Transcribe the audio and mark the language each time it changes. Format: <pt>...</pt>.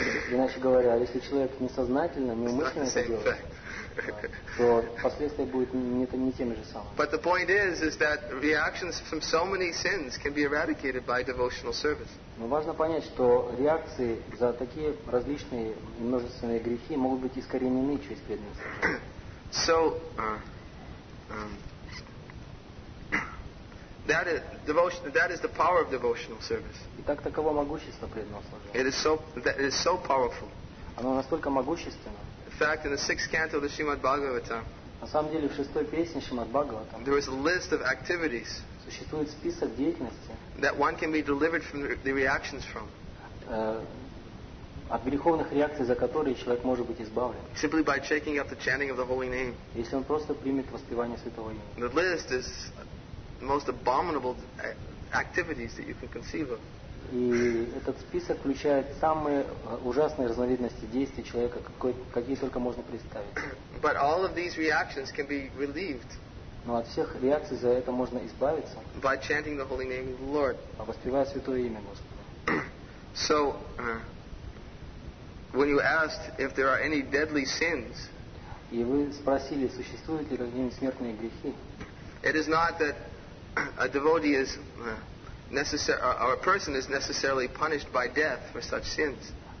<ru>иначе говоря, если человек несознательно, неумышленно это делает, то последствия будут не теми же самыми.</ru> <en>But the point is that reactions from so many sins can be eradicated by devotional service.</en> <ru>Но важно понять, что реакции за такие различные и множественные грехи могут быть искоренены через преданное служение.</ru> <en>So that is the power of devotional service.</en> <ru>Итак, таково могущество преданного служения.</ru> <en>It is so powerful.</en> <ru>Оно настолько могущественно.</ru> <en>In fact, in the sixth canto of the Srimad Bhagavatam,</en> <ru>на самом деле, в шестой песне Шримад Бхагаватам,</ru> <en>there is a list of activities,</en> <ru>существует список деятельности,</ru> <en>that one can be delivered from the reactions from,</en> <ru>от греховных реакций, за которые человек может быть избавлен,</ru> <en>simply by taking up the chanting of the holy name.</en> <ru>Если он просто примет воспевание святого имени.</ru> <en>The list is the most abominable activities that you can conceive of.</en> <ru>И этот список включает самые ужасные разновидности действий человека, какие только можно представить.</ru> <en>But all of these reactions can be relieved.</en> <ru>Но от всех реакций за это можно избавиться.</ru> <en>By chanting the holy name of the Lord.</en> <ru>А воспевая святое имя Господа.</ru> <en>So, when you asked if there are any deadly sins,</en> <ru>и вы спросили, существуют ли какие-нибудь смертные грехи?</ru> <en>It is not that a devotee is or a person is necessarily punished by death for such sins.</en>